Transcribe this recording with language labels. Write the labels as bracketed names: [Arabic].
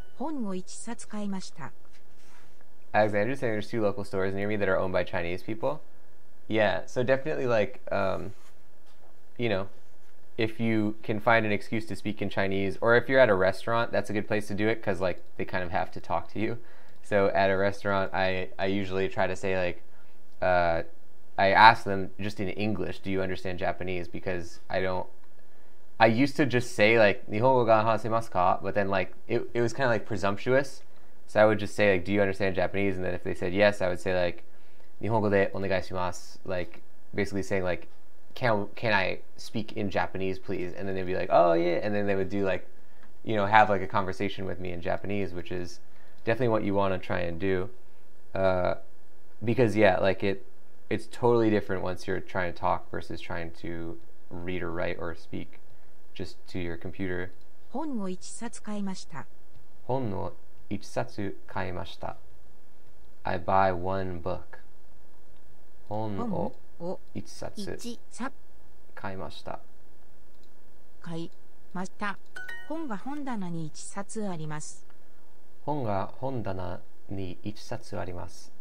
[Japanese] 通ります。はじめに。はじめに。大きな病院。病院のそば。そば。を通ります。 [English] Oh, I said [Japanese] 通ります。通ります。通ります。本を1冊買いました。 [English] Alexander saying there's two local stores near me that are owned by Chinese people. Yeah, so definitely like, you know, if you can find an excuse to speak in Chinese, or if you're at a restaurant, that's a good place to do it, because like they kind of have to talk to you. So at a restaurant, I usually try to say like, I ask them just in English, do you understand Japanese? Because I used to just say like, [Japanese] Nihongo ga hanasemasu ka? [English] But then like, it was kind of like presumptuous. So I would just say like, do you understand Japanese? And then if they said yes, I would say like, [Japanese] Nihongo de onegai shimasu. [English] Like basically saying like, can I speak in Japanese, please? And then they'd be like, oh, yeah. And then they would do like, you know, have like a conversation with me in Japanese, which is definitely what you want to try and do. Because, yeah, like it's totally different once you're trying to talk versus trying to read or write or speak just to your computer. [Japanese] 本を一冊買いました。本を一冊買いました。 [English] I buy one book. [Japanese] 本を。 1冊買いました。買いました。本が本棚に1冊あります。本が本棚に1冊あります。